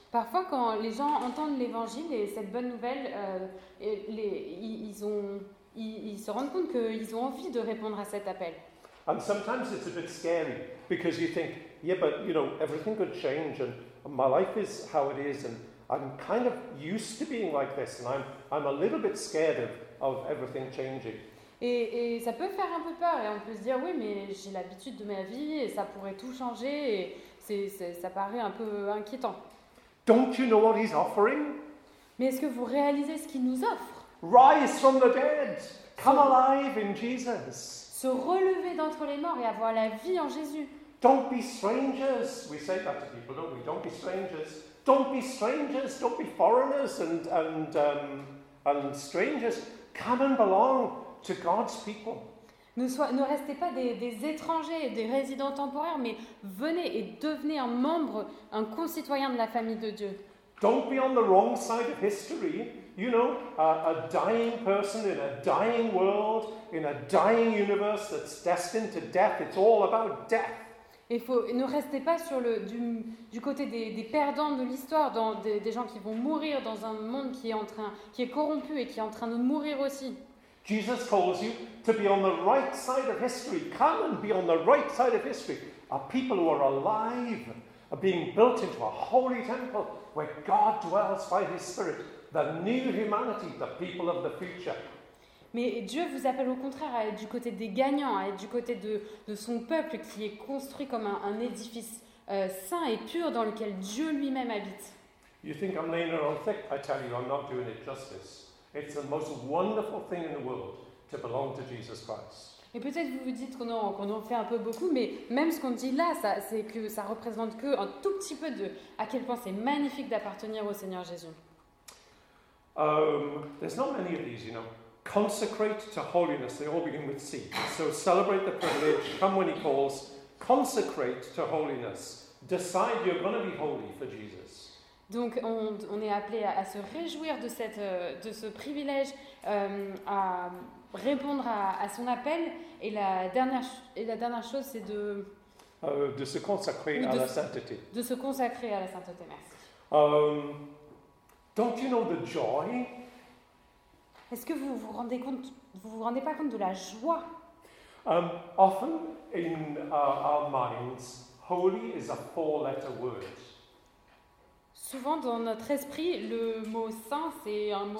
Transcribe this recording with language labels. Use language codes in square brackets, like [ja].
[fr] Parfois, quand les gens entendent l'évangile et cette bonne nouvelle, ils se rendent compte qu'ils ont envie de répondre à cet appel. [en] And sometimes it's a bit scary because you think, yeah, but you know, everything could change and my life is how it is and I'm kind of used to being like this and I'm a little bit scared of everything changing. [fr] Et ça peut faire un peu peur et on peut se dire, oui, mais j'ai l'habitude de ma vie et ça pourrait tout changer et ça paraît un peu inquiétant. [en] Don't you know what he's offering? [fr] Mais est-ce que vous réalisez ce qu'il nous offre? [en] Rise from the dead! Come alive in Jesus! [fr] Se relever d'entre les morts et avoir la vie en Jésus. [en] Don't be strangers. We say that to people, don't we? Don't be strangers. Don't be strangers. Don't be foreigners and strangers. Come and belong to God's people. [fr] Ne restez pas des étrangers, des résidents temporaires, mais venez et devenez un membre, un concitoyen de la famille de Dieu. [en] Don't be on the wrong side of history. You know, a dying person in a dying world, in a dying universe that's destined to death. It's all about death. [fr] Ne restez pas sur du côté des perdants de l'histoire, des gens qui vont mourir dans un monde qui est corrompu et qui est en train de mourir aussi. [en] Jesus calls you to be on the right side of history. Come and be on the right side of history. are people who are alive, are being built into a holy temple where God dwells by his Spirit, the new humanity, the people of the future. [fr] Mais Dieu vous appelle au contraire à être du côté des gagnants, à être du côté de son peuple qui est construit comme un édifice saint et pur dans lequel Dieu lui-même habite. [en] You think I'm laying it on thick? I tell you, I'm not doing it justice. It's the most wonderful thing in the world to belong to Jesus Christ. [fr] Et peut-être vous vous dites qu'on en fait un peu beaucoup, mais même ce qu'on dit là, ça, c'est que ça représente que un tout petit peu de à quel point c'est magnifique d'appartenir au Seigneur Jésus. [en] There's not many of these, you know. Consecrate to holiness. They all begin with C. So celebrate the privilege. Come when he calls. Consecrate to holiness. Decide you're going to be holy for Jesus. [fr] Donc on est appelé à se réjouir de ce privilège, à répondre à son appel. Et la dernière chose, c'est de se consacrer à la sainteté. De se consacrer à la sainteté. Merci. [en] Don't you know the joy? [fr] Est-ce que vous vous rendez compte, vous vous rendez pas compte de la joie? [en] Often in our minds, holy is a four-letter word. [fr] Souvent dans notre esprit, le mot saint c'est un mot.